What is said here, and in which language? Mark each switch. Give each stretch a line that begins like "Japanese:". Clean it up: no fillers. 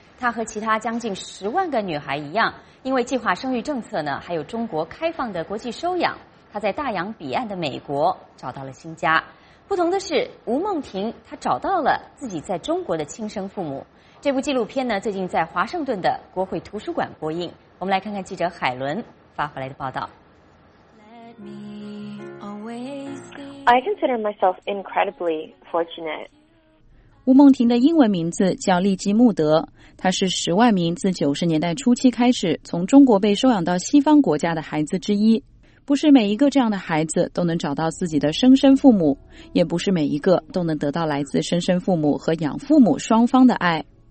Chinese: 她和其他将近10万个女孩一样，因为计划生育政策呢，还有中国开放的国际收养，她在大洋彼岸的美国找到了新家。不同的是，吴梦婷她找到了自己在中国的亲生父母。这部纪录片呢，最近在华盛顿的国会图书馆播映。我们来看看记者海伦发回来的报道。
English: I consider myself incredibly fortunate.
Chinese: 吴梦婷的英文名字叫利基穆德，她是10万名自90年代初期开始从中国被收养到西方国家的孩子之一。不是每一个这样的孩子都能找到自己的生身父母，也不是每一个都能得到来自生身父母和养父母双方的爱。